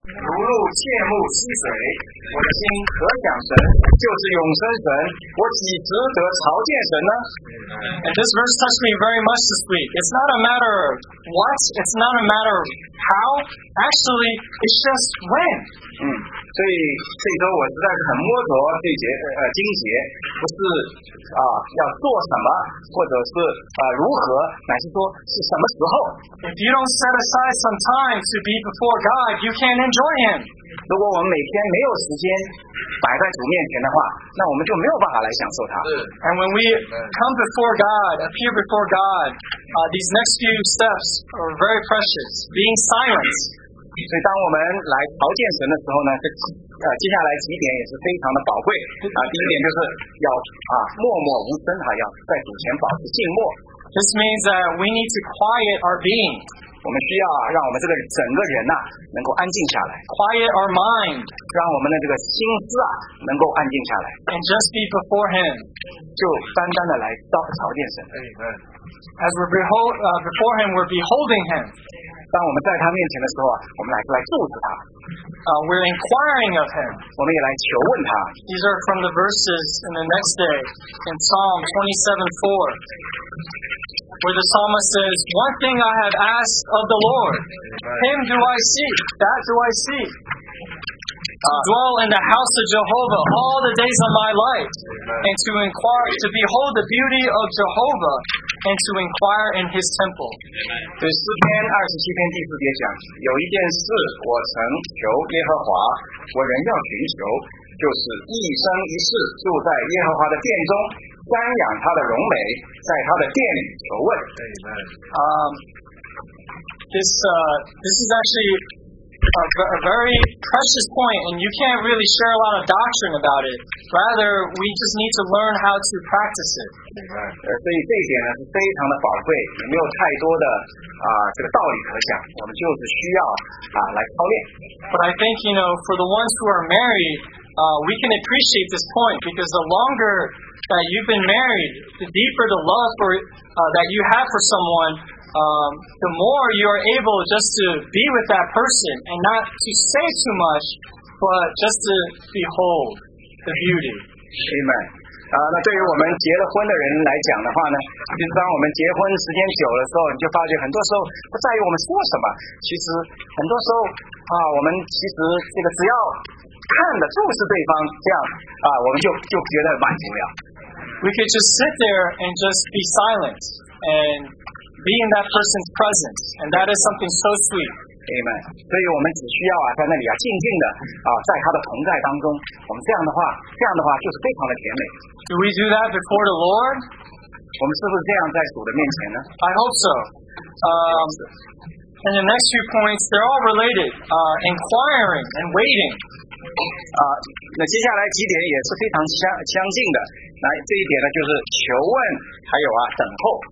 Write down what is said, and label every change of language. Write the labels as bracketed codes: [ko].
[zh] 切慕溪水，我的心可想神，就是永生神，我岂值得朝见神呢？ [en] And this verse touched me very much this week. It's not a matter of what, it's not a matter of how, actually, it's just when. [zh] 所以这一周我实在是很摸着这节经节，不是啊要做什么，或者是如何，乃是说是什么时候。 [en] If you don't set aside some time to be before God, you can't enjoy Him. [zh] 如果我们每天没有时间摆在主面前的话，那我们就没有办法来享受它。 [en] And when we come before God, appear before God, these next few steps are very precious. Being silent. [zh] 所以当我们来朝见神的时候呢，接下来几点也是非常的宝贵啊。第一点就是要默默无声啊，要在主前保持静默。 [en] This means that we need to quiet our being. [zh] 我们需要让我们这个整个人能够安静下来。 [en] Quiet our mind. [zh] 让我们的这个心思能够安静下来。 [en] And just be before Him. [zh] 就单单的来朝见神。 [en] Amen. As we're before Him, we're beholding Him. [zh] 当我们在他面前的时候我们来注视他。 [en] We're inquiring of him. [zh] 我们也来求问他。 [en] These are from the verses in the next day in Psalm 27:4, where the psalmist says, "One thing I have asked of the Lord, Him do I seek, that do I seek, to dwell in the house of Jehovah all the days of my life, and to inquire, to behold the beauty of Jehovah. And to inquire in His temple. [zh] 对诗篇二十七篇第四节讲，有一件事我曾求耶和华，我仍要寻求，就是一生一世住在耶和华的殿中，瞻仰他的荣美，在他的殿里求问。 [en] This is actually a very precious point, and you can't really share a lot of doctrine about it. Rather, we just need to learn how to practice it. [zh] 所以这一点是非常的宝贵，也没有太多的这个道理可讲，我们就是需要来操练。 [en] But I think, you know, for the ones who are married, we can appreciate this point, because the longer that you've been married, the deeper the love for, that you have for someone,the more you are able just to be with that person and not to say too much, but just to behold the beauty. Amen. [zh] 那对于我们结了婚的人来讲的话呢，其实当我们结婚时间久的时候，你就发觉很多时候不在于我们说什么，其实很多时候我们其实这个只要看着注视对方，这样我们就觉得满足了。 [en] We could just sit there and just be silent and. Be in that person's presence, and that is something so sweet. Amen. [zh] 所以我们只需要在那里静静的在他的同在当中，我们这样的话就是非常的甜美。 [en] Do we do that before the Lord? [zh] 我们是不是这样在主的面前呢？ [en] I hope so. And the next few points, they're all related, inquiring and waiting. [zh] 那接下来几点也是非常相近的。那这一点呢，就是求问，还有等候。